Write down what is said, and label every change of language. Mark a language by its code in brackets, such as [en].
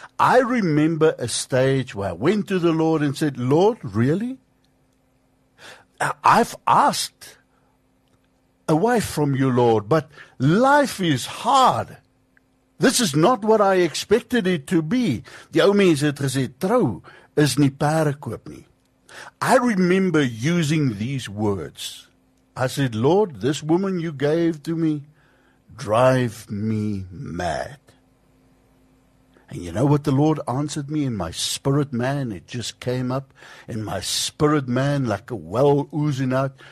[en] I remember a stage where I went to the Lord and said, Lord, really? I've asked a wife from you, Lord, but life is hard. This is not what I expected it to be. [af] Die ou mens het gesê, trou is nie perekoop nie. [en] I remember using these words. I said, Lord, this woman you gave to me drive me mad. And you know what the Lord answered me in my spirit man? It just came up in my spirit man like a well oozing out.